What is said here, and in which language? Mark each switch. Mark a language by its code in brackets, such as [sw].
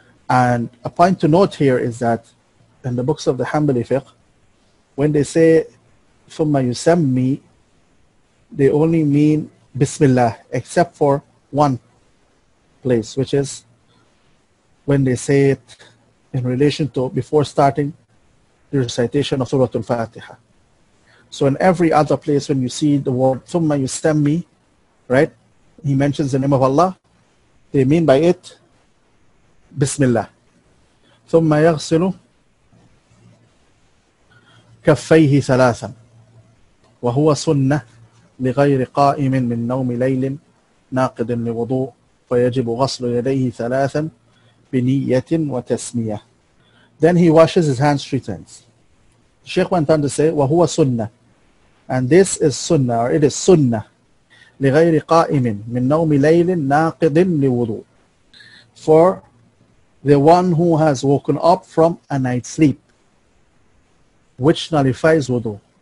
[en] And a point to note here is that in the books of the Hanbali fiqh, when they say thumma yusammi, they only mean bismillah, except for one place, which is when they say it in relation to before starting the recitation of Surah Al-Fatiha. So in every other place, when you see the word thumma yusammi, right, he mentions the name of Allah, they mean by it bismillah. [ar] Thumma yaghsilu kaffayhi thalathan wa huwa sunnah لغير قائم من نوم ليل ناقد لوضوء فيجب غسل يديه ثلاثا بنية وتسمية. [en] Then he washes his hands 3 times. The Sheikh went on to say, وَهُوَ سُنَّةٌ. And this is sunnah, or it is sunnah. [ar] لِغَيْرِ قَائِمٍ مِن نَوْمِ لَيْلٍ نَاقِضٍ لِوُضُوءٍ. [en] For the one who has woken up from a night sleep, which nullifies wudu.